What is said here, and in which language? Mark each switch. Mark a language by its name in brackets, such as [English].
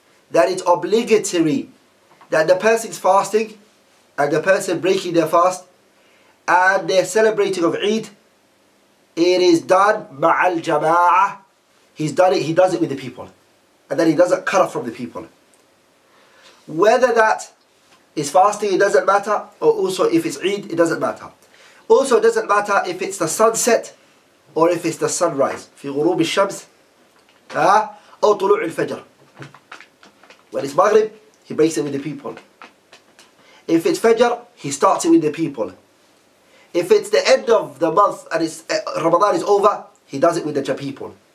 [English] That it's obligatory that the person's fasting and the person breaking their fast and their celebrating of Eid, it is done [Arabic] مع الجماعة. [English] He does it with the people, and then he doesn't cut off from the people. Whether that is fasting, it doesn't matter, or also if it's Eid, it doesn't matter. Also, it doesn't matter if it's the sunset or if it's the sunrise. [Arabic] في غروب الشمس أو طلوع الفجر. [English] When it's Maghrib, he breaks it with the people. If it's Fajr, he starts it with the people. If it's the end of the month and it's Ramadan is over, he does it with the people.